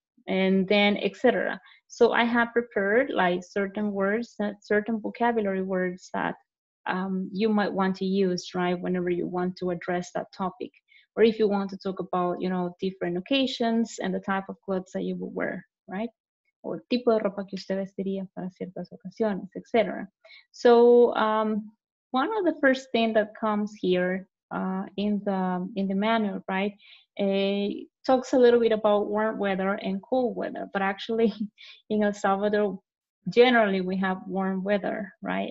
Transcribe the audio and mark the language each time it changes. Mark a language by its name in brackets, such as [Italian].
[English] And then, etc. So I have prepared like certain words, certain vocabulary words that you might want to use, right? Whenever you want to address that topic. Or if you want to talk about, you know, different occasions and the type of clothes that you would wear, right? [Spanish] O el tipo de ropa que usted vestiría para ciertas ocasiones, etc. [English] So one of the first thing that comes here in the manual, right? Talks a little bit about warm weather and cold weather, but actually in El Salvador, generally we have warm weather, right?